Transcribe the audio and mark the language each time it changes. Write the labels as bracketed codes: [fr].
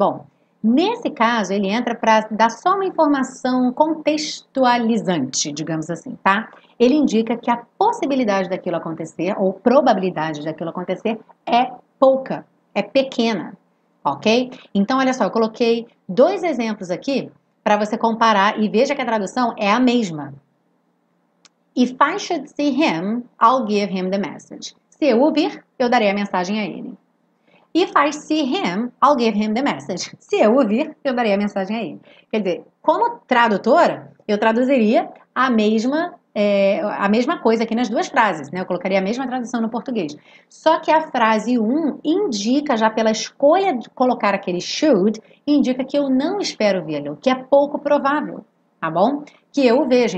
[pt] Bom, nesse caso, ele entra para dar só uma informação contextualizante, digamos assim, tá? Ele indica que a possibilidade daquilo acontecer, ou probabilidade daquilo acontecer, é pouca, é pequena. Ok? Então, olha só, eu coloquei dois exemplos aqui para você comparar e veja que a tradução é a mesma. [en] If I should see him, I'll give him the message. [pt] Se eu o vir, eu darei a mensagem a ele. [en] If I see him, I'll give him the message. [pt] Se eu o vir, eu darei a mensagem a ele. Quer dizer, como tradutora, eu traduziria a mesma coisa aqui nas duas frases, né? Eu colocaria a mesma tradução no português. Só que a frase 1 indica, já pela escolha de colocar aquele should, indica que eu não espero vê-lo, que é pouco provável, tá bom? Que eu veja.